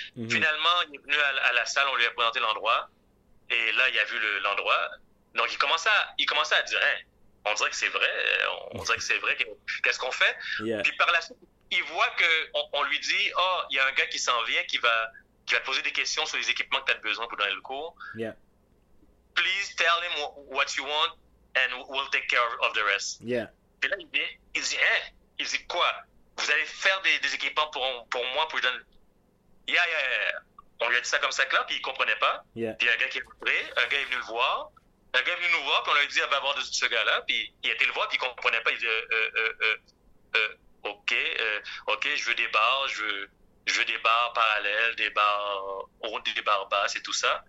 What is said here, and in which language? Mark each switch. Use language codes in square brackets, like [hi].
[fr] Mm-hmm. » Finalement, il est venu à la salle, on lui a présenté l'endroit, et là, il a vu l'endroit. Donc, il commençait à dire hein, « on dirait que c'est vrai, on dirait que c'est vrai, qu'est-ce qu'on fait? [en] Yeah. » [fr] Puis par la suite, il voit qu'on lui dit « Oh, il y a un gars qui s'en vient, qui va te poser des questions sur les équipements que tu as besoin pour donner le cours. [en] Yeah. Please tell him what you want and we'll take care of the rest. Yeah. » [fr] Puis là, il dit, quoi? Vous allez faire des équipements pour moi, pour donner... On lui a dit ça comme ça, clair, puis il ne comprenait pas. [en] Yeah. [fr] Puis un gars est venu nous voir, puis on lui a dit, ah, va voir ce gars-là. Puis il était le voir, puis il ne comprenait pas. Il dit, OK, je veux des barres parallèles, des barres hautes, des barres basses et tout ça.